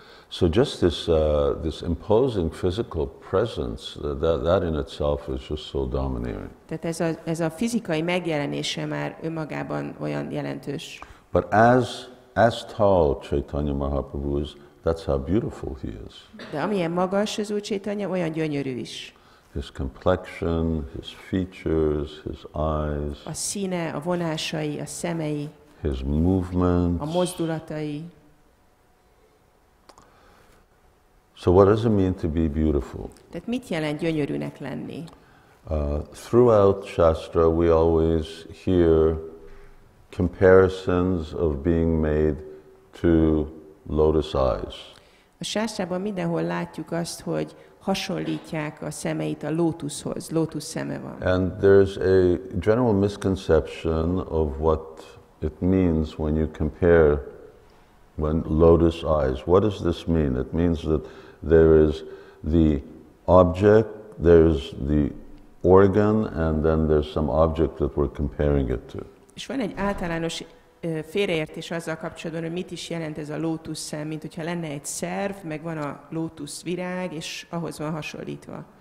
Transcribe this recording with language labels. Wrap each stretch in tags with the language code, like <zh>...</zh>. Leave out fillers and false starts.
<en>So just this imposing physical presence, that in itself is just so domineering.</en> <hu>Tehát ez a fizikai megjelenése már önmagában olyan jelentős.</hu> <en>But as tall Chaitanya Mahaprabhu is, that's how beautiful he is.</en> <hu>De amilyen magas az Úr Chaitanya, olyan gyönyörű is.</hu> <en>His complexion, his features, his eyes.</en> <hu>A színe, a vonásai, a szemei.</hu> <en>His movement.</en> <hu>A mozdulatai.</hu> <en>So what does it mean to be beautiful?</en> <hu>Tehát mit jelent gyönyörűnek lenni?</hu> <en>Throughout Shastra we always hear comparisons of being made to lotus eyes.</en> <hu>A Shastrában mindenhol látjuk azt, hogy hasonlítják a szemeit a lótuszhoz, lótusz szeme van.</hu> <en>And there's a general misconception of what it means when you compare when lotus eyes. What does this mean? It means that there is the object, there's the organ, and then there's some object that we're comparing it to.</en> <hu>És van egy általános félreértés azzal kapcsolatban, hogy mit is jelent ez a lótusz szem, mint hogyha lenne egy szerv, meg van a lótusz virág, és ahhoz van hasonlítva.</hu>